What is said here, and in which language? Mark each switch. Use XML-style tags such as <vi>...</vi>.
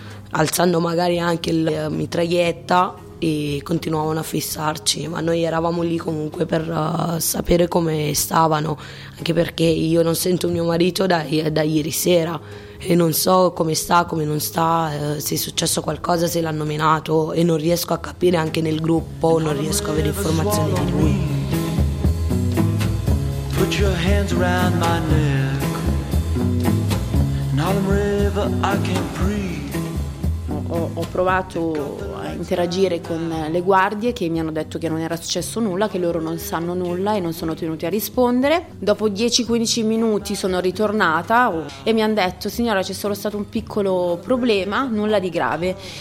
<it>alzando magari anche la mitraglietta, e continuavano a fissarci, ma noi eravamo lì comunque per sapere come stavano, anche perché io non sento mio marito da ieri sera e non so come sta, come non sta, se è successo qualcosa, se l'hanno menato, e non riesco a capire anche nel gruppo, non riesco a avere informazioni di lui.</it> <en>Put your hands around my neck. Nalam River, I can't breathe.</en> <it>Ho provato a interagire con le guardie che mi hanno detto che non era successo nulla, che loro non sanno nulla e non sono tenuti a rispondere. Dopo 10-15 minuti sono ritornata e mi hanno detto: signora, c'è solo stato un piccolo problema, nulla di grave.</it>